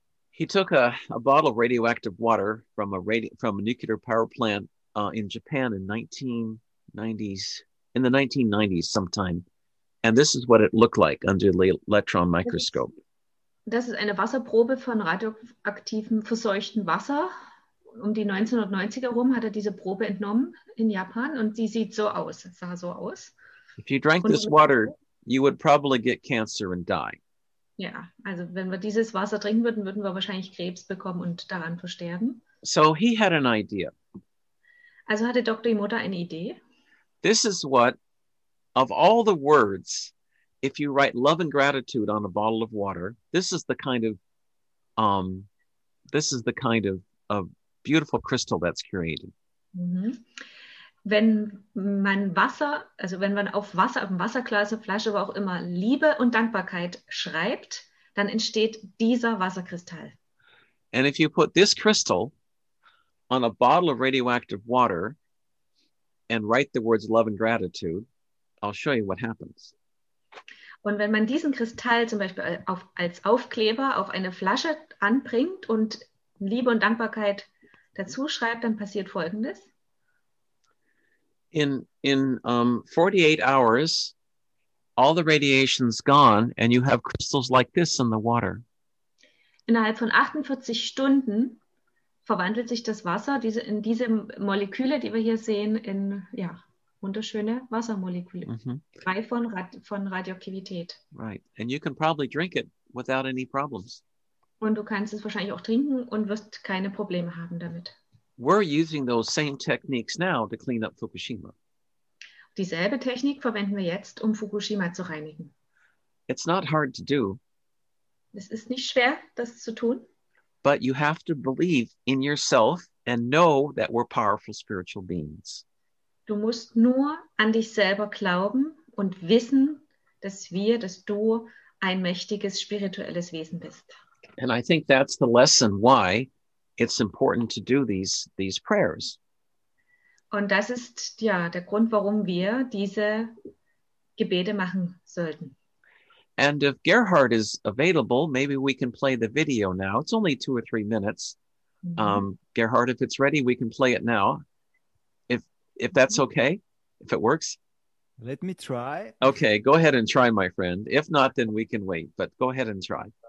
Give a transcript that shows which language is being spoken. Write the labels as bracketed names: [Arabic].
[English] He took a bottle of radioactive water from a nuclear power plant in Japan in the 1990s sometime. And this is what it looked like under the electron microscope. [German] Das ist eine Wasserprobe von radioaktivem verseuchtem Wasser. Um die 1990er herum hat er diese Probe entnommen in Japan und sie sieht so aus. Es sah so aus. [English] If you drank this water, you would probably get cancer and die. [German] Ja, also wenn wir dieses Wasser trinken würden, würden wir wahrscheinlich Krebs bekommen und daran versterben. [English] So he had an idea. [German] Also hatte Dr. Imoto eine Idee. [English] This is what, of all the words, if you write love and gratitude on a bottle of water, this is the kind of beautiful crystal that's created. [German] Wenn man Wasser, also wenn man auf Wasser, auf dem Wasserglas, Flasche, wo auch immer, Liebe und Dankbarkeit schreibt, dann entsteht dieser Wasserkristall. [English] And if you put this crystal on a bottle of radioactive water and write the words love and gratitude, I'll show you what happens. [German] Und wenn man diesen Kristall zum Beispiel als Aufkleber auf eine Flasche anbringt und Liebe und Dankbarkeit dazu schreibt, dann passiert Folgendes. [English] In 48 hours, all the radiation's gone and you have crystals like this in the water. [German] Innerhalb von 48 Stunden verwandelt sich das Wasser, diese Moleküle, die wir hier sehen, in, ja, wunderschöne Wassermoleküle, frei von Radioaktivität. [English] Right, and you can probably drink it without any problems. [German] Und du kannst es wahrscheinlich auch trinken und wirst keine Probleme haben damit. [English] We're using those same techniques now to clean up Fukushima. [German] Dieselbe Technik verwenden wir jetzt, um Fukushima zu reinigen. [English] It's not hard to do. [German] Es ist nicht schwer, das zu tun. [English] But you have to believe in yourself and know that we're powerful spiritual beings. [German] Du musst nur an dich selber glauben und wissen, dass du ein mächtiges spirituelles Wesen bist. [English] And I think that's the lesson why it's important to do these prayers. [German] Und das ist ja der Grund, warum wir diese Gebete machen sollten. [English] And if Gerhard is available, maybe we can play the video now. It's only 2 or 3 minutes. Gerhard, if it's ready, we can play it now. If that's okay, if it works. Let me try. Okay, go ahead and try, my friend. If not, then we can wait. But go ahead and try.